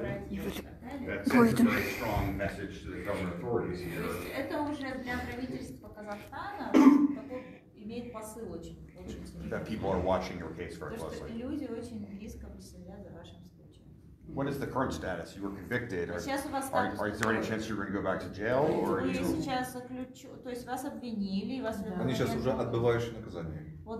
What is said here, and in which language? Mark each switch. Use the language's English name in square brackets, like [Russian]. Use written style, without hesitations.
[English] that sends a very strong message to the government authorities here. [Russian] Это уже для правительства Казахстана имеет посыл очень. [English] That people are watching your case very closely. [Russian] Люди очень близко следят за вашим. [English] What is the current status? You were convicted. Are is there any chance you're going to go back to jail? Or [Russian] вы сейчас заключены, то есть вас обвинили, вас да. Они сейчас уже отбывающие наказание.